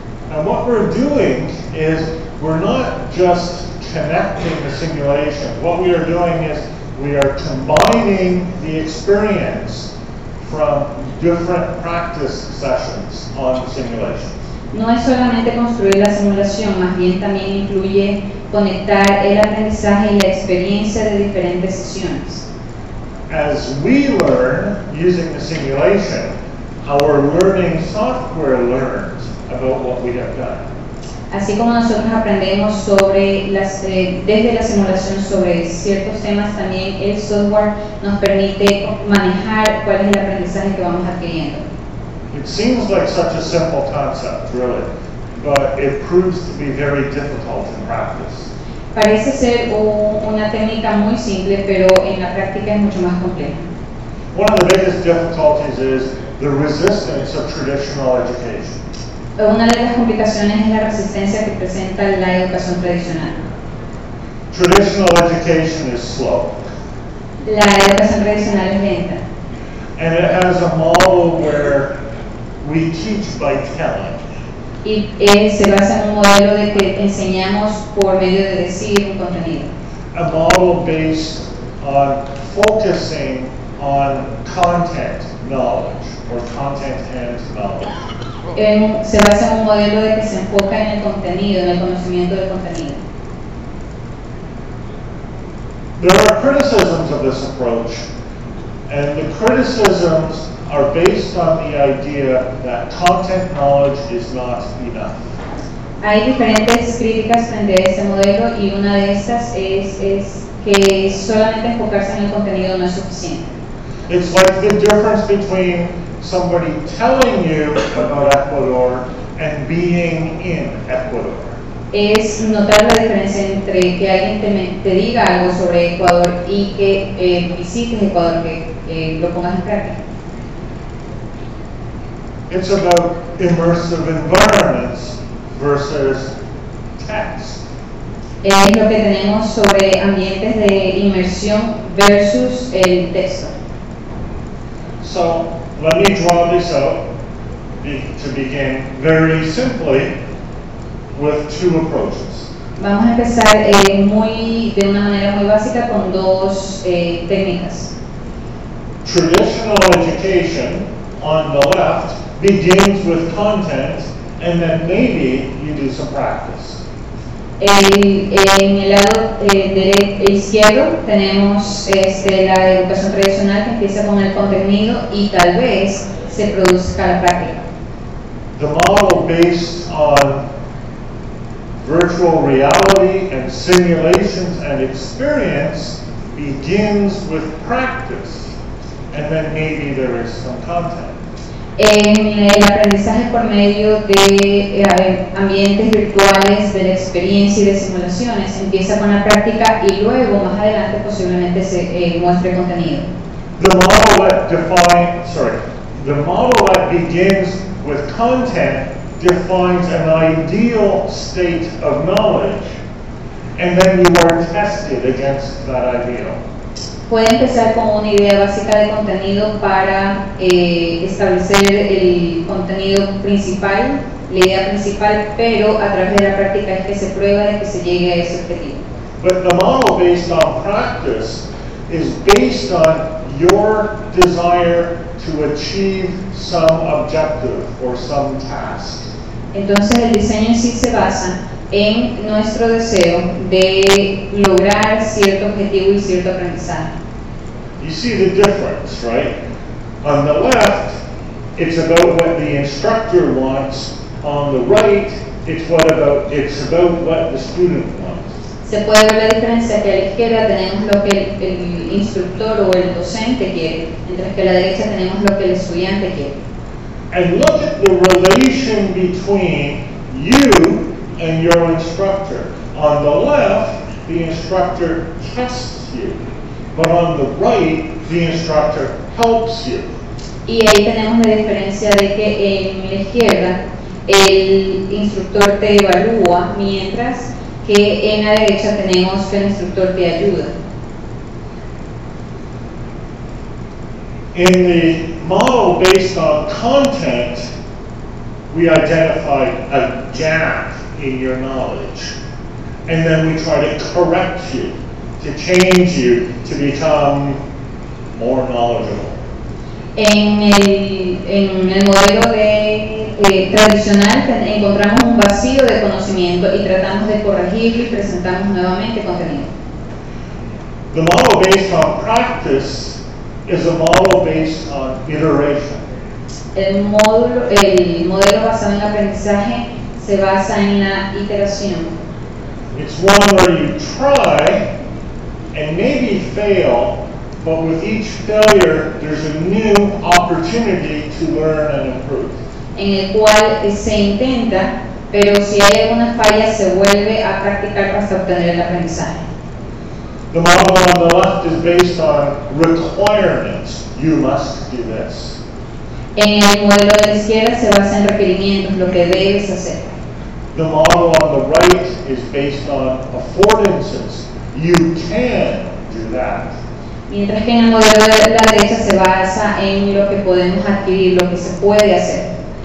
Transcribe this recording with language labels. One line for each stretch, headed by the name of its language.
English: And what we're doing is we're not just connecting the simulation. What we are doing is we are combining the experience from different practice sessions on simulations.
Spanish: No es solamente construir la simulación, más bien también incluye conectar el aprendizaje y la experiencia de diferentes sesiones.
English: As we learn using the simulation, our learning software learns about what we have done.
Spanish: Así como nosotros aprendemos sobre desde la simulación sobre ciertos temas, también el software nos permite manejar cuál es el aprendizaje que vamos adquiriendo.
English: It seems like such a simple concept, really, but it proves to be very difficult in practice.
Spanish: Parece ser una técnica muy simple, pero en la práctica es mucho más compleja.
English: One of the biggest difficulties is the resistance of traditional education.
Spanish: Una de las complicaciones es la resistencia que presenta la educación tradicional.
English: Traditional education is slow.
Spanish: La educación tradicional es lenta.
English: And it has a model where we teach by telling.
Spanish: Y se basa en un modelo de que enseñamos por medio de decir un contenido.
English: A model based on focusing on content knowledge or content and knowledge.
Spanish: Se basa en un modelo de que se enfoca en el contenido, en el conocimiento del contenido.
English: There are criticisms of this approach, and the criticisms are based on the idea that content knowledge is not enough.
Spanish: Hay diferentes críticas frente a este modelo, y una de estas es que solamente enfocarse en el contenido no es suficiente.
English: It's like the difference between somebody telling you about Ecuador and being in Ecuador.
Spanish: Es notar la diferencia entre que alguien te diga algo sobre Ecuador y que visites Ecuador, que lo pongas en práctica.
English: It's about immersive environments versus text.
Spanish: Es lo que tenemos sobre ambientes de inmersión versus el texto.
English: So, let me draw this out to begin very simply with two approaches.
Spanish: Vamos a empezar de una manera muy básica con dos técnicas.
English: Traditional education on the left begins with content, and then maybe you do some practice.
Spanish: En el lado izquierdo tenemos la educación tradicional que empieza con el contenido y tal vez se produzca la práctica.
English: The model based on virtual reality and simulations and experience begins with practice, and then maybe there is some content.
Spanish: En el aprendizaje por medio de ambientes virtuales, de la experiencia y de simulaciones, empieza con la práctica y luego, más adelante, posiblemente se muestre contenido.
English: The model that begins with content defines an ideal state of knowledge, and then you are tested against that ideal.
Spanish: Puede empezar con una idea básica de contenido para establecer el contenido principal, la idea principal, pero a través de la práctica es que se prueba de que se llegue a ese objetivo.
English: But the model based on practice is based on your desire to achieve some objective or some task.
Spanish: Entonces el diseño en sí se basa en nuestro deseo de lograr cierto objetivo y cierto aprendizaje.
English: You see the difference, right? On the left, it's about what the instructor wants. On the right, it's about what the student wants.
Spanish: Se puede ver la diferencia que a la izquierda tenemos lo que el instructor o el docente quiere, mientras que a la derecha tenemos lo que el estudiante quiere.
English: And look at the relation between you and your instructor. On the left, the instructor tests you, but on the right, the instructor helps you.
Spanish: Y ahí tenemos la diferencia de que en la izquierda el instructor te evalúa, mientras que en la derecha tenemos que el instructor te ayuda.
English: In the model based on content, we identify a gap in your knowledge, and then we try to correct you, to change you, to become more knowledgeable.
Spanish: En el modelo tradicional encontramos un vacío de conocimiento y tratamos de corregirlo y presentamos nuevamente contenido.
English: The model based on practice is a model based on iteration.
Spanish: El modelo basado en aprendizaje se basa en la iteración.
English: It's one where you try and maybe fail, but with each failure there's a new opportunity to learn and improve.
Spanish: En el cual se intenta, pero si hay alguna falla se vuelve a practicar hasta obtener el aprendizaje.
English: The model on the left is based on requirements. You must do this.
Spanish: En el modelo de la izquierda se basa en requerimientos, lo que debes hacer.
English: The model on the right is based on affordances. You can do that.
Spanish: Mientras que en el modelo de la derecha se basa en lo que podemos adquirir, lo que se puede hacer.